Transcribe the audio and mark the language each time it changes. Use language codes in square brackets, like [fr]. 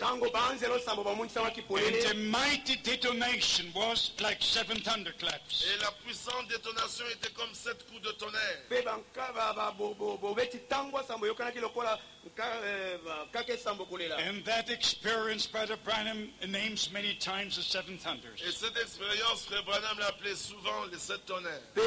[en] and a mighty detonation was like seven thunderclaps. [fr] Et la puissante détonation était comme sept coups de tonnerre. [en] And that experience, Brother Branham names many times the seven thunders. [fr] Et cette expérience, Brother Branham l'appelait souvent les sept tonnerres.